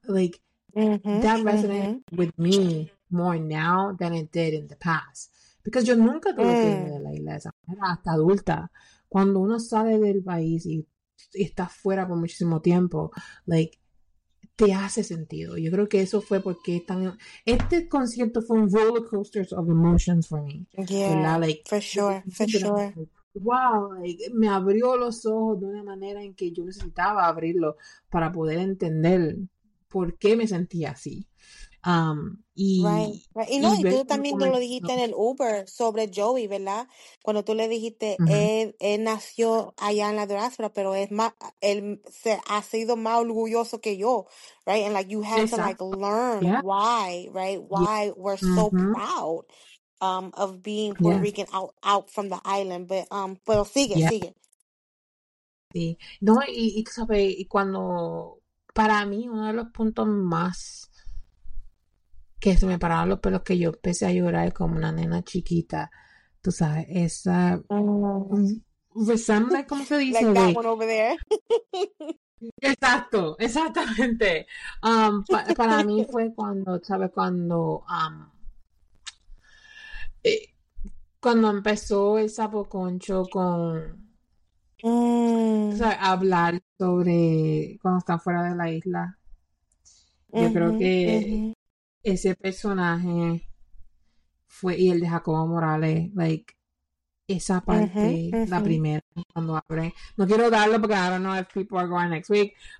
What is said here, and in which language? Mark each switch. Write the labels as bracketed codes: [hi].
[en] Like, that resonated with me more now than it did in the past. Because [es] yo nunca tuve que ir de la isla de esa manera, hasta adulta. Cuando uno sale del país y está fuera por muchísimo tiempo, like, te hace sentido. Yo creo que eso fue porque este concierto fue un [en] roller coaster of emotions for me. Yeah, like, for sure. [es] Wow, like, me abrió los ojos de una manera en que yo necesitaba abrirlo para poder entender por qué me sentía así. Y tú también lo dijiste en el Uber sobre Joey, ¿verdad? Cuando tú le dijiste, él nació allá en la diáspora, pero es más, él se ha sido más orgulloso que yo, right? [en] And, like, you had to, like, learn why, right? Why we're so proud of being Puerto Rican out from the island. But sigue. [es] Sí, no, y tú sabes, y cuando, para mí, uno de los puntos más que se me pararon los pelos, que yo empecé a llorar como una nena chiquita, tú sabes, esa resentment, ¿cómo se [en] Like [es] dice? [en] that [es] De [en] one over there. [es] exacto, exactamente. Para mí fue cuando, ¿sabes? Cuando, cuando empezó el sapoconcho con, o sea, hablar sobre cuando están fuera de la isla. Yo creo que ese personaje fue, y el de Jacobo Morales, like, esa parte, la primera, cuando abre. No quiero darlo porque [en] I don't know if people are going next week.